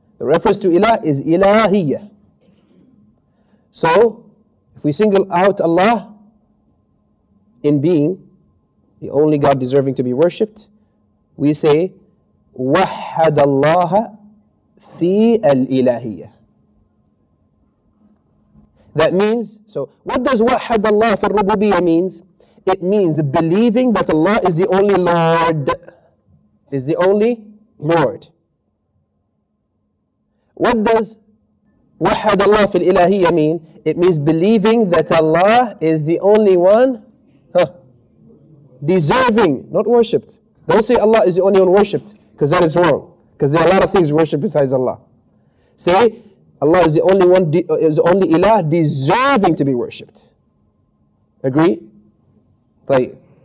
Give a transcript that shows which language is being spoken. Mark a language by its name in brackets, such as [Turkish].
[English] The reference to Ilah is Ilahiyyah. So, if we single out Allah in being, the only God deserving to be worshipped, we say, [Arabic] وَحَّدَ اللَّهَ فِي الْإِلَهِيَّةِ. [English] That means, so what does [Arabic] وحد الله في الربوبية [English] means? It means believing that Allah is the only Lord. Is the only Lord. What does [Arabic] وحد الله في الإلهية [English] mean? It means believing that Allah is the only one deserving, not worshipped. Don't say Allah is the only one worshipped, because that is wrong. Because there are a lot of things worshipped besides Allah. Say, Allah is the only one, is only Ilah deserving to be worshipped. Agree? طيب.